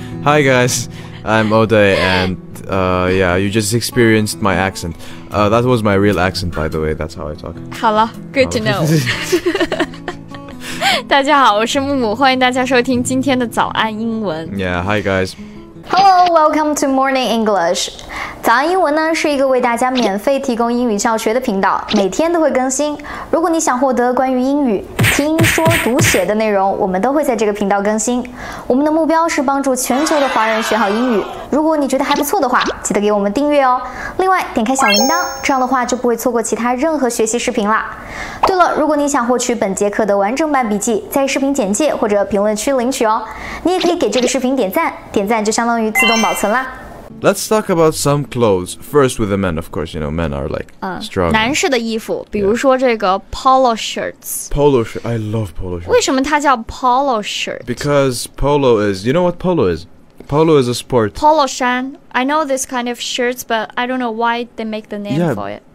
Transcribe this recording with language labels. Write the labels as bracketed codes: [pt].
[en] Hi guys, I'm Oday, and yeah, you just experienced my accent. That was my real accent, by the way, that's how I talk. [zh] 好了 [en] good to know. [zh] 大家好，我是木木，欢迎大家收听今天的早安英文。 [en] Yeah, hi guys. Hello, welcome to Morning English. [zh] 早安英文呢是一个为大家免费提供英语教学的频道，每天都会更新。如果你想获得关于英语听说读写的内容，我们都会在这个频道更新。我们的目标是帮助全球的华人学好英语。如果你觉得还不错的话，记得给我们订阅哦。另外，点开小铃铛，这样的话就不会错过其他任何学习视频啦。对了，如果你想获取本节课的完整版笔记，在视频简介或者评论区领取哦。你也可以给这个视频点赞，点赞就相当于自动保存啦。 [en] Let's talk about some clothes. First with the men, of course, you know, men are like strong. [zh] 男士的衣服比如说这个 polo shirts. [en] Polo shirt, I love polo shirts. [zh] 为什么它叫 polo shirt? [en] Because polo is, you know what polo is? Polo is a sport. Polo shan. I know this kind of shirts, but I don't know why they make the name for it.